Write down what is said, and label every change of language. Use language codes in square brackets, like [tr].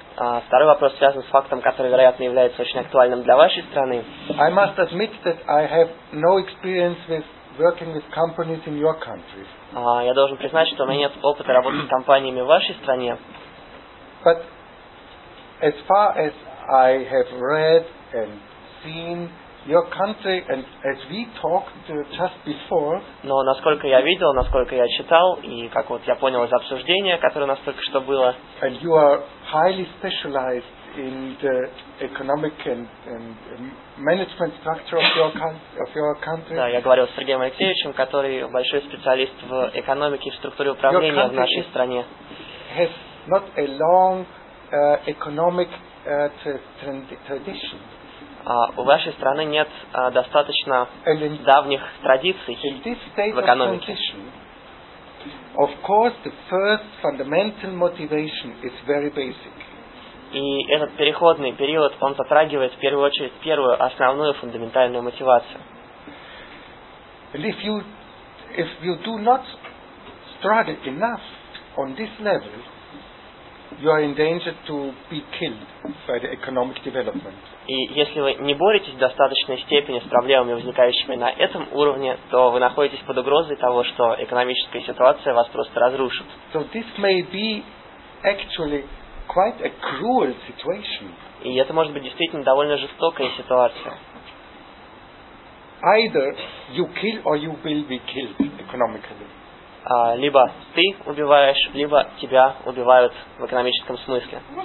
[ru] Второй вопрос связан с фактом, который, вероятно, является очень актуальным для вашей страны. [en] I must admit that I have no experience with working with companies in your country. [ru] Я должен признать, что у меня нет опыта работы с компаниями в вашей стране. [en] But as far as I have read and seen your country, and as we talked just before. [ru] Но насколько я видел, насколько я читал, и как вот я понял из обсуждения, которое у нас только что было. [en] And you are highly specialized in the economic and management structure of your country. [ru] Да, я говорил с Сергеем Алексеевичем, который большой специалист в экономике и в структуре управления в нашей стране. [en] Has not a long economic tradition. [ru] У вашей страны нет достаточно давних традиций в экономике. [en] Of course, the first fundamental motivation is very basic. [ru] И этот переходный период, он затрагивает в первую очередь первую основную фундаментальную мотивацию. [en] And if you do not struggle enough on this level, you are in danger to be killed by the economic development. [ru] И если вы не боретесь в достаточной степени с проблемами, возникающими на этом уровне, то вы находитесь под угрозой того, что экономическая ситуация вас просто разрушит. [en] So this may be actually quite a cruel situation. [ru] И это может быть действительно довольно жестокая ситуация. [en] Either you kill or you will be killed economically. [ru] Либо ты убиваешь, либо тебя убивают в экономическом смысле.